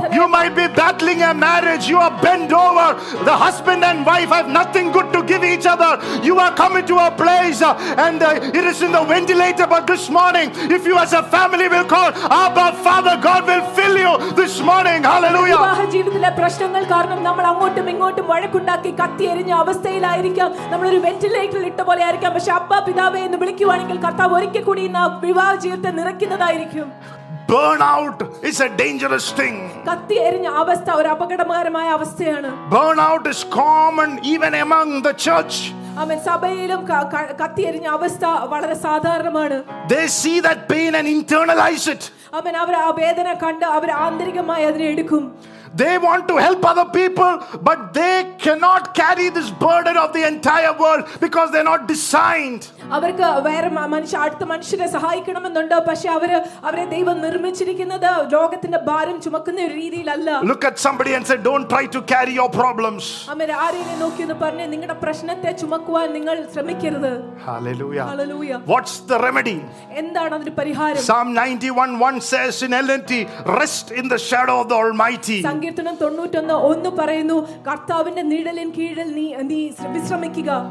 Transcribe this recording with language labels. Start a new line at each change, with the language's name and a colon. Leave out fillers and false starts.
English: You might be battling a marriage, you are bent over, the husband and wife have nothing good to give each other, you are coming to a place and it is in the ventilator. But this morning, if you as a family will call Abba Father, God will fill you this morning. Hallelujah.
Malayalam: വിവാഹ ജീവിതത്തിലെ പ്രശ്നങ്ങൾ കാരണം നമ്മൾ അങ്ങോട്ടും ഇങ്ങോട്ടും വഴക്കുണ്ടാക്കി കത്തിയെരിഞ്ഞ അവസ്ഥയിലായിരിക്കാം, നമ്മൾ ഒരു വെന്റിലേറ്ററിൽ ഇട്ട പോലെ ആയിരിക്കാം, പക്ഷെ അപ്പ പിതാവേ എന്ന് വിളിക്കുവാണെങ്കിൽ കർത്താവ് ഒരിക്കൽ കൂടി ആ വിവാഹ ജീവിതത്തെ നിറയ്ക്കുന്നതായിരിക്കും.
English: Burnout is a dangerous thing.
Malayalam: കത്തി എരിഞ്ഞ അവസ്ഥ ഒരു അപകടകരമായ അവസ്ഥയാണ്.
English: Burnout is common even among the church.
Malayalam: സഭയിലും കത്തി എരിഞ്ഞ അവസ്ഥ വളരെ സാധാരണമാണ്.
English: They see that pain and internalize it.
Malayalam: അവർ ആ വേദന കണ്ട് അവർ ആന്തരികമായി അതിനെ എടുക്കും.
English: They want to help other people, but they cannot carry this burden of the entire world because they're not designed.
Malayalam: അവർക്ക് വേറെ മനുഷ്യ അടുത്ത മനുഷ്യരെ സഹായിക്കണമെന്നുണ്ട് പക്ഷേ അവരെ ദൈവം നിർമ്മിച്ചിരിക്കുന്നത് ലോകത്തിന്റെ ഭാരം ചുമക്കുന്ന ഒരു രീതിയിലല്ല.
English: Look at somebody and say, don't try to carry your problems.
Malayalam: അമ്മേ ആരെയും നോക്കി എന്ന് പറഞ്ഞു നിങ്ങളുടെ പ്രശ്നത്തെ ചുമക്കുവാൻ നിങ്ങൾ ശ്രമിക്കരുത്.
English: Hallelujah. Hallelujah. What's the remedy?
Malayalam: എന്താണ് അതിന്റെ പരിഹാരം?
English: Psalm 91:1 says in NLT, rest in the shadow of the Almighty.
Malayalam: സങ്കീർത്തനം 91:1 പറയുന്നു കർത്താവിന്റെ നിഴലിൻ കീഴിൽ നീ വിശ്രമിക്കുക.